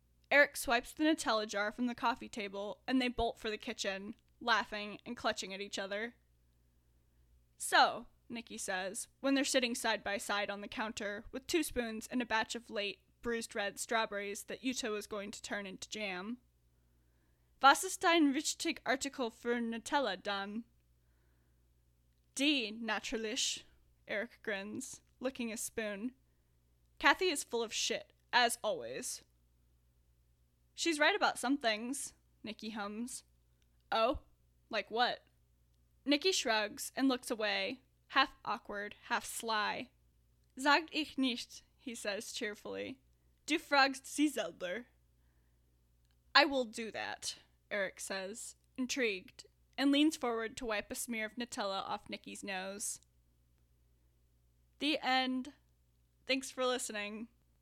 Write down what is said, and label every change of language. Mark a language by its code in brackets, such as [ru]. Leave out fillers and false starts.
[en] Eric swipes the Nutella jar from the coffee table and they bolt for the kitchen, laughing and clutching at each other. So, Nikki says, when they're sitting side by side on the counter with two spoons and a batch of late, bruised red strawberries that Yuta was going to turn into jam. [de] Was ist dein richtig Artikel für Nutella dann? Die, natürlich, [en] Eric grins, licking his spoon. Kathy is full of shit, as always. She's right about some things, Nikki hums. Oh, like what? Nikki shrugs and looks away, half awkward, half sly. [de] Sag ich nicht, he says cheerfully. Du fragst sie selber. [en] I will do that, Eric says, intrigued, and leans forward to wipe a smear of Nutella off Nikki's nose. The end. Thanks for listening.